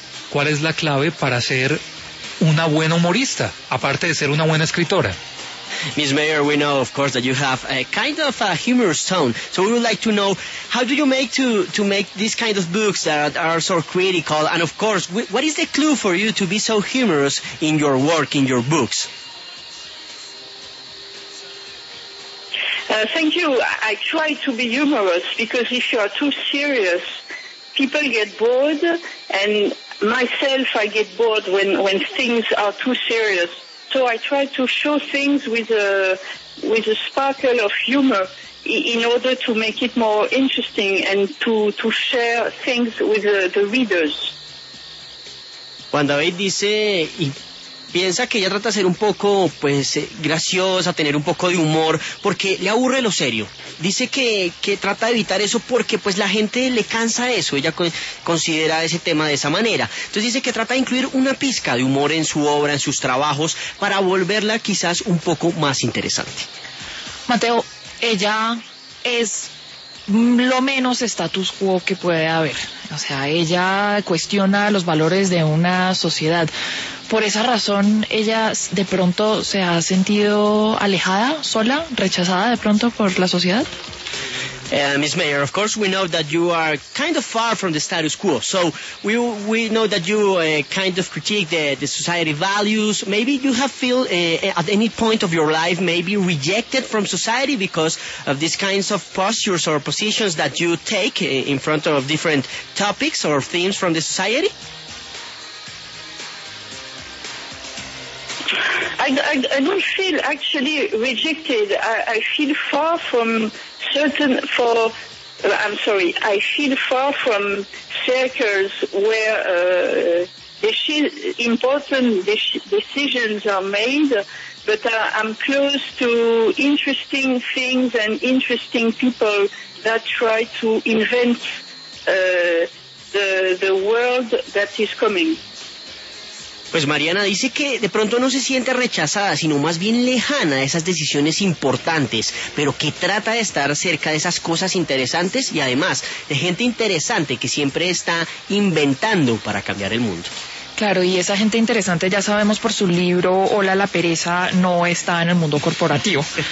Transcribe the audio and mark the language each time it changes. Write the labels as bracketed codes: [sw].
[es] ¿Cuál es la clave para ser una buena humorista, aparte de ser una buena escritora? [en] Ms. Mayer, we know, of course, that you have a kind of a humorous tone. So we would like to know, how do you make to make these kind of books that are so critical? And of course, what is the clue for you to be so humorous in your work, in your books? Thank you. I try to be humorous because if you are too serious, people get bored, and myself, I get bored when things are too serious. So I try to show things with a sparkle of humor in order to make it more interesting and to share things with the readers. [es] Juan David dice, piensa que ella trata de ser un poco, pues, graciosa, tener un poco de humor, porque le aburre lo serio. Dice que trata de evitar eso porque, pues, la gente le cansa eso. Ella considera ese tema de esa manera. Entonces dice que trata de incluir una pizca de humor en su obra, en sus trabajos, para volverla quizás un poco más interesante. Mateo, ella es lo menos status quo que puede haber. O sea, ella cuestiona los valores de una sociedad. ¿Por esa razón ella de pronto se ha sentido alejada, sola, rechazada de pronto por la sociedad? [en] Ms. Mayer, of course we know that you are kind of far from the status quo. So we know that you kind of critique the society values. Maybe you have feel at any point of your life maybe rejected from society because of these kinds of postures or positions that you take in front of different topics or themes from the society? I don't feel actually rejected. I feel far from certain. I feel far from circles where important decisions are made. But I'm close to interesting things and interesting people that try to invent the world that is coming. [es] Pues Mariana dice que de pronto no se siente rechazada, sino más bien lejana de esas decisiones importantes, pero que trata de estar cerca de esas cosas interesantes y además de gente interesante que siempre está inventando para cambiar el mundo. Claro, y esa gente interesante, ya sabemos por su libro Hola la pereza, no está en el mundo corporativo.